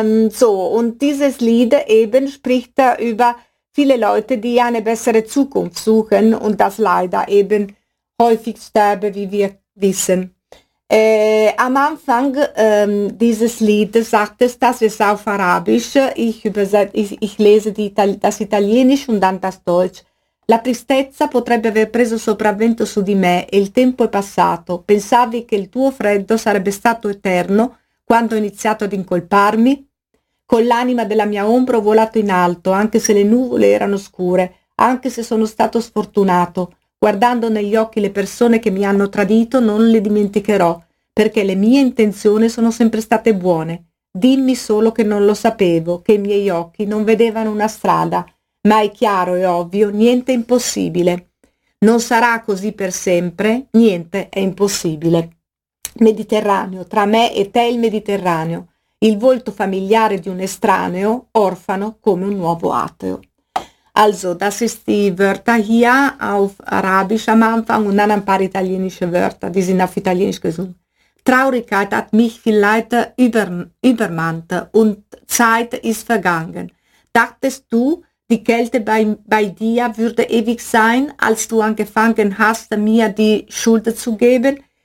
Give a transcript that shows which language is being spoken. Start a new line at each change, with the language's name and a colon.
German: So, und dieses Lied eben spricht über viele Leute, die eine bessere Zukunft suchen und das leider eben häufig sterben, wie wir wissen. Am Anfang dieses Liedes sagt es, das ist auf Arabisch, ich lese das Italienisch und dann das Deutsch.
Italian: La tristezza potrebbe aver preso sopravvento su di me e il tempo è passato. Pensavi che il tuo freddo sarebbe stato eterno quando ho iniziato ad incolparmi? Con l'anima della mia ombra ho volato in alto, anche se le nuvole erano scure, anche se sono stato sfortunato. Guardando negli occhi le persone che mi hanno tradito, non le dimenticherò, perché le mie intenzioni sono sempre state buone. Dimmi solo che non lo sapevo, che i miei occhi non vedevano una strada. Ma è chiaro e ovvio, niente è impossibile. Non sarà così per sempre, niente è impossibile. Mediterraneo, tra me e te il Mediterraneo. Il volto familiare di un estraneo, orfano come un nuovo ateo.
German: Also, das ist die Wörter hier auf Arabisch am Anfang und dann ein paar italienische Wörter, die sind auf Italienisch gesungen. Traurigkeit hat mich vielleicht übermannt und Zeit ist vergangen. Dachtest du, die Kälte bei dir würde ewig sein, als du angefangen hast, mir die Schuld zu geben?